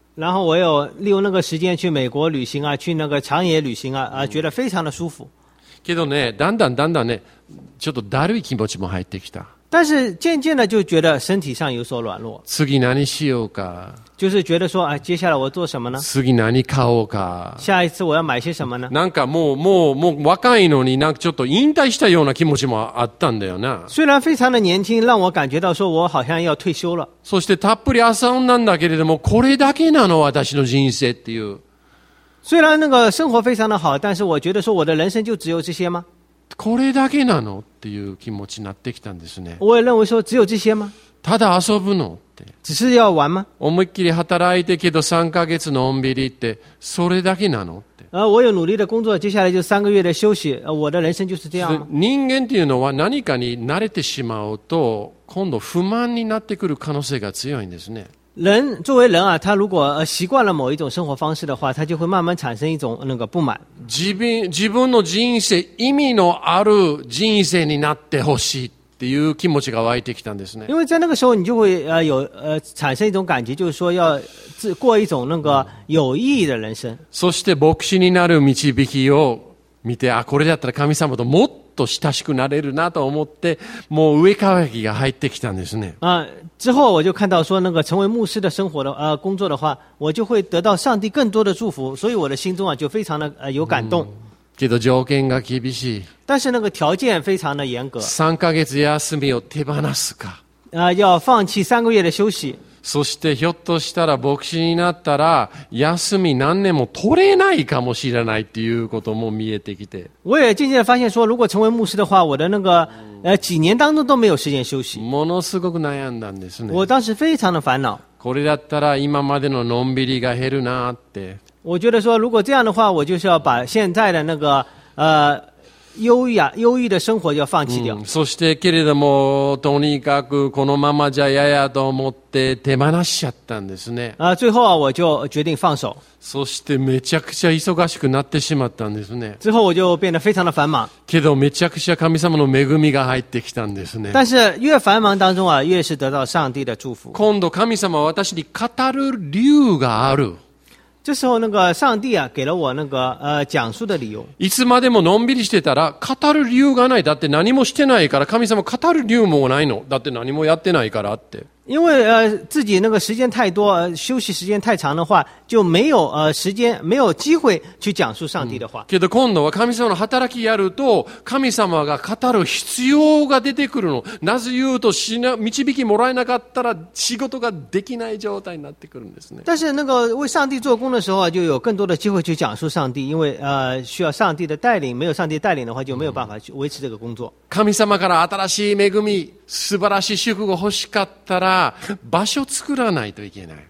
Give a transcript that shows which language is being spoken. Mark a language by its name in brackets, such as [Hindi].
[Chinese] 然后我有利用那个时间去美国旅行啊，去那个长野旅行啊，觉得非常的舒服。 [Japanese] けどね、だんだんだんだんね、ちょっとだるい気持ちも入ってきた。 [Chinese] 但是渐渐的就觉得身体上有所软弱。 [Japanese] 次何しようか。 [Chinese] 就是觉得说，哎，接下来我做什么呢？ [Japanese] 次何買おうか。 [Chinese] 下一次我要买些什么呢？ [Japanese] なんかもう若いのに、なんかちょっと引退したような気持ちもあったんだよな。 [Chinese] 虽然非常的年轻，让我感觉到说我好像要退休了。 [Japanese] そしてたっぷり朝なんだけれども、これだけなの私の人生っていう。 [Chinese] 虽然那个生活非常的好，但是我觉得说我的人生就只有这些吗？ [Japanese] これだけなのっていう気持ちになってきたんですね。 [Chinese] 我也认为说只有这些吗？ [Japanese] ただ遊ぶのって。 [Chinese] 只是要玩吗？ [Japanese] 思いっきり働いてけど3ヶ月のんびりってそれだけなのって。 [Chinese] 我有努力的工作，接下来就3个月的休息。我的人生就是这样吗？ [Japanese] 人間っていうのは何かに慣れてしまうと今度不満になってくる可能性が強いんですね。 [Chinese] 人作为人啊，他如果习惯了某一种生活方式的话，他就会慢慢产生一种那个不满。 [Japanese] 自分の人生意味のある人生になってほしいっていう気持ちが湧いてきたんですね。 [Chinese] 因为在那个时候，你就会有产生一种感觉，就是说要过一种那个有意义的人生。 [Japanese] そして牧師になる導きを見て、あ、これだったら神様ともっと親しくなれるなと思って、もう上乾きが入ってきたんですね。 [Chinese] 之后我就看到说那个成为牧师的生活的工作的话，我就会得到上帝更多的祝福，所以我的心中啊就非常的有感动。 [Japanese] けど条件が厳しい。 [Chinese] 但是那个条件非常的严格。 [Japanese] 三ヶ月休みを手放すか。 [Chinese] 要放弃三个月的休息。 [Japanese] そしてひょっとしたら牧師になったら休み何年も取れないかもしれないっていうことも見えてきて。 [Chinese] 我也渐渐发现说，如果成为牧师的话，我的那个几年当中都没有时间休息。 [Japanese] ものすごく悩んだんですね。 [Chinese] 我当时非常的烦恼。 [Japanese] これだったら今までののんびりが減るなって。 [Chinese] 我觉得说，如果这样的话，我就是要把现在的那个忧郁的生活要放弃掉。 [Japanese] そしてけれどもとにかくこのままじゃ嫌やと思って手放しちゃったんですね。最後は [Chinese] 我就决定放手。 [Japanese] そしてめちゃくちゃ忙しくなってしまったんですね。 [Chinese] 最後我就变得非常的繁忙。 [Japanese] けどめちゃくちゃ神様の恵みが入ってきたんですね。 [Chinese] 但是越繁忙当中啊，越是得到上帝的祝福。 [Japanese] 今度神様は私に語る理由がある。 [Chinese] 这时候那个上帝啊给了我那个讲述的理由。 [Japanese] いつまでものんびりしてたら語る理由がない。だって何もしてないから神様語る理由もないの。だって何もやってないからって。 [Chinese] 因为自己那个时间太多，休息时间太长的话，就没有时间，没有机会去讲述上帝的话。 [Japanese] けど今度は神様の働きやると神様が語る必要が出てくるの。なぜ言うと導きもらえなかったら仕事ができない状態になってくるんですね。 [Chinese] 但是那个为上帝做工的时候，就有更多的机会去讲述上帝，因为需要上帝的带领。没有上帝带领的话，就没有办法去维持这个工作。 [Japanese] 神様から新しい恵み、素晴らしい祝福が欲しかったら場所作らないといけない。